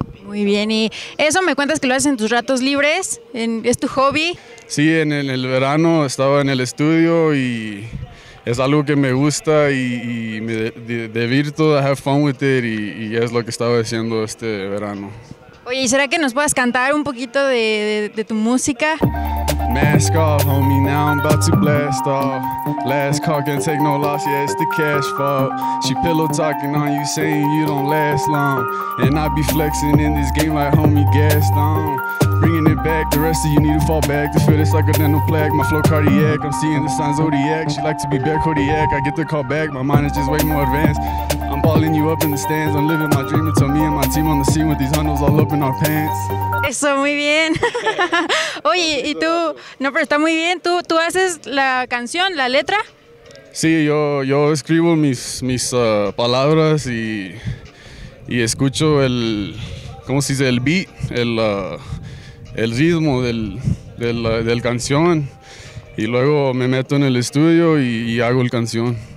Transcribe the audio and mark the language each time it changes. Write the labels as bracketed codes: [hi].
[es] Muy bien, y eso me cuentas que lo haces en tus ratos libres, es tu hobby. Sí, en el verano estaba en el estudio y es algo que me gusta y me divierto, [en] I have fun with it [es] y es lo que estaba haciendo este verano. Oye, ¿y será que nos puedas cantar un poquito de tu música? [en] Mask off, homie, now I'm about to blast off. Last call can't take no loss, yeah, it's the cash fault. She pillow talking on you, saying you don't last long. And I be flexing in this game like homie Gaston. Bringing it back, the rest of you need to fall back. This feel it's like a dental plaque, my flow cardiac. I'm seeing the signs zodiac, she like to be back, Kodiak. I get the call back, my mind is just way more advanced. I'm balling you up in the stands, I'm living my dream until me and my team on the scene with these hundos all up in our pants. [es] Eso, muy bien. Oye, ¿y tú? No, pero está muy bien. ¿Tú haces la canción, la letra? Sí, yo escribo mis palabras y escucho el, ¿cómo se dice? El beat, el ritmo del canción y luego me meto en el estudio y hago la canción.